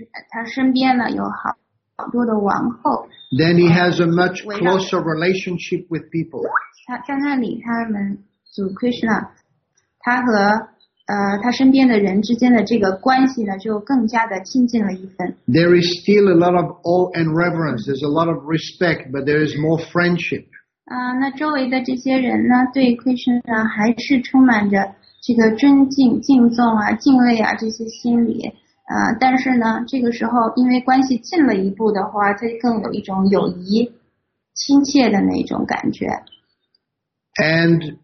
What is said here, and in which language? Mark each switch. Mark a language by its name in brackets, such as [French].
[Chinese] 他身边呢有好多的王后。 [English] Then he has a much closer relationship with people. [Chinese] 他在那里，他们主 Krishna， 他和 他身边的人之间的这个关系呢，就更加的亲近了一分。 [English] There is still a lot of awe and reverence. There's a lot of respect, but there is more friendship. [Chinese] 那周围的这些人呢，对 Krishna 还是充满着这个尊敬、敬重啊、敬畏啊这些心理。但是呢，这个时候因为关系近了一步的话，他更有一种友谊、亲切的那种感觉。 [English] And